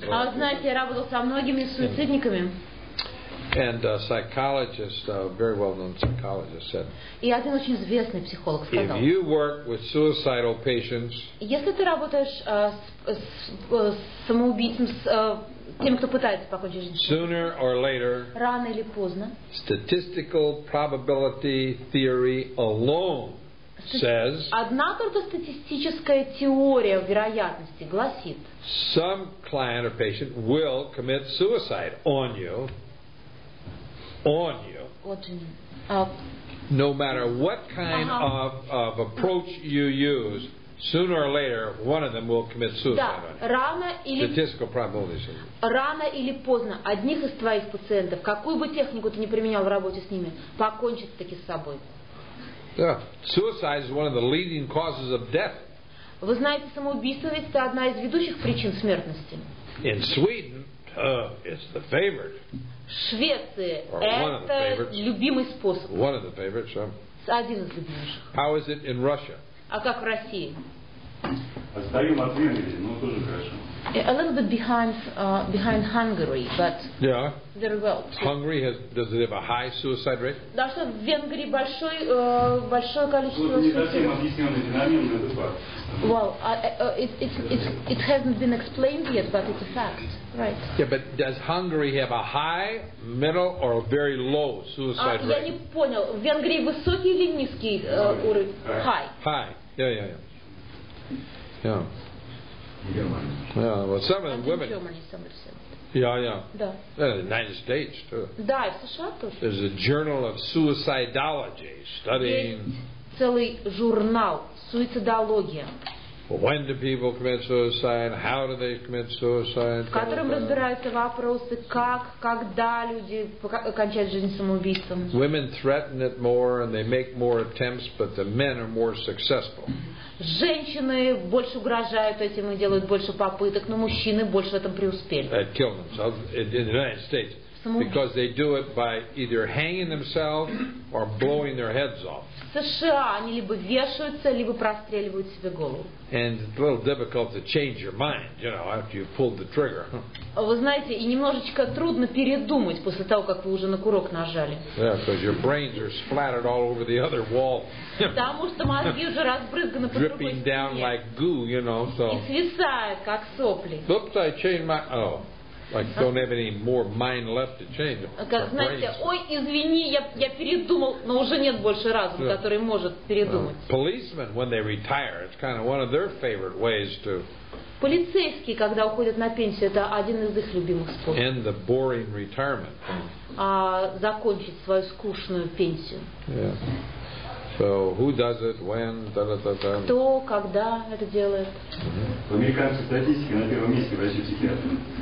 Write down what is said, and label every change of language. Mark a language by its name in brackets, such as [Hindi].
[Russian] А вы знаете, я работал со многими суицидниками. [English] And a psychologist, a very well-known psychologist, said, "If you work with suicidal patients, [Russian] если ты работаешь с самоубийцем, с тем, кто пытается покончить жизнь, [English] sooner or later, [Russian] рано или поздно, [English] statistical probability theory alone says, [Russian] одна только статистическая теория вероятности гласит, [English] some client or patient will commit suicide on you." On you, no matter what kind of approach you use, sooner or later, one of them will commit suicide. [Russian] Да, рано или [English] statistical probability. [Russian] Рано или поздно одних из твоих пациентов, какую бы технику ты ни применял в работе с ними, покончит таки с собой. [English] Да, suicide is one of the leading causes of death. [Russian] Вы знаете, самоубийство ведь это одна из ведущих причин смертности. [English] In Sweden, it's the favorite. [Russian] Швеция — это любимый способ. [English] One of the favorites. [Russian] Один из любимых. [English] How is it in Russia? [Russian] А как в России? Отстаем от Венгрии, но тоже хорошо. [English] A little bit behind behind Hungary, but yeah, very well. Hungary has, does it have a high suicide rate? [Russian] Да, что в Венгрии большой большое количество суицидов. [English] Well, it hasn't been explained yet, but it's a fact. Right. Yeah, but does Hungary have a high, middle, or a very low suicide rate? [Russian] Я не понял. В Венгрии высокий или низкий уровень? [English] High. High. Yeah. Yeah. Yeah. Well, some of the women. Yeah. The United States too. [Russian] Да, в США тоже. [English] There's a journal of suicidology studying. [Russian] Есть целый журнал суицидология. [English] When do people commit suicide? How do they commit suicide? [Russian] В котором разбираются вопросы, как, когда люди кончают жизнь самоубийством. [English] Women threaten it more and they make more attempts, but the men are more successful. [Russian] Женщины больше угрожают этим и делают больше попыток, но мужчины больше в этом преуспели. [English] They kill themselves in the United States because they do it by either hanging themselves or blowing their heads off. [Russian] В США они либо вешаются, либо простреливают себе голову. [English] And it's a little difficult to change your mind, you know, after you pulled the trigger. [Russian] Вы знаете, и немножечко трудно передумать после того, как вы уже на курок нажали. [English] Yeah, because your brains are splattered all over the other wall. [Russian] Потому что мозги уже разбрызганы по другой стене. [English] Dripping down like goo, you know, so. [Russian] И свисает, как сопли. [English] Oops, I changed my... Oh. Like don't have any more mind left to change. [Russian] Как знаете, ой, извини, я передумал, но уже нет больше разума, который может передумать. [English] Policemen, when they retire, it's kind of one of their favorite ways to. [Russian] Полицейские, когда уходят на пенсию, это один из их любимых способов. [English] End the boring retirement. [Russian] А закончить свою скучную пенсию. [English] Yeah. So who does it when? [Russian] Кто, когда это делает? Американцы статистика на первом месте врачи-психиатры.